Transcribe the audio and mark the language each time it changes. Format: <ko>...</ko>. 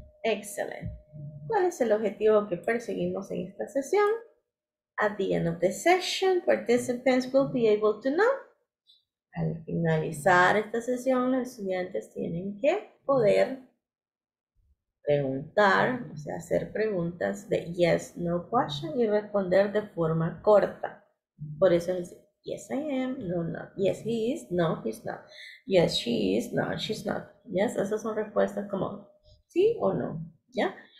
<es>Excellent. ¿Cuál es el objetivo que perseguimos en esta sesión?</es> <en>At the end of the session, participants will be able to know.</en> <es>Al finalizar esta sesión, los estudiantes tienen que poder preguntar, o sea, hacer preguntas de</es> <en>yes, no question</en> <es>y responder de forma corta. Por eso es</es> <en>yes, I am, no, no, yes, he is, no, he's not, yes,</en> <es>she is, no, she's not, yes, esas son respuestas como sí o no, ¿ya?</es>